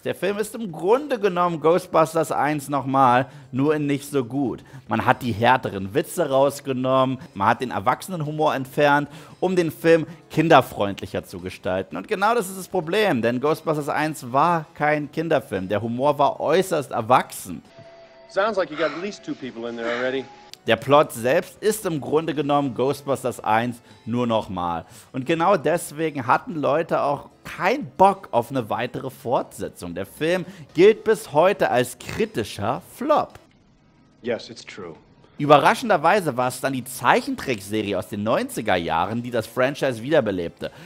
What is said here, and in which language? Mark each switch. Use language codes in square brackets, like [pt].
[de] Der Film ist im Grunde genommen Ghostbusters 1 nochmal, nur in nicht so gut. Man hat die härteren Witze rausgenommen, man hat den Erwachsenenhumor entfernt, um den Film kinderfreundlicher zu gestalten. Und genau das ist das Problem, denn Ghostbusters 1 war kein Kinderfilm. Der Humor war äußerst erwachsen. [en] Sounds like you got at least two people in there already. [de] Der Plot selbst ist im Grunde genommen Ghostbusters 1 nur nochmal. Und genau deswegen hatten Leute auch keinen Bock auf eine weitere Fortsetzung. Der Film gilt bis heute als kritischer Flop. [en] Yes, it's true. [de] Überraschenderweise war es dann die Zeichentrickserie aus den 90er Jahren, die das Franchise wiederbelebte.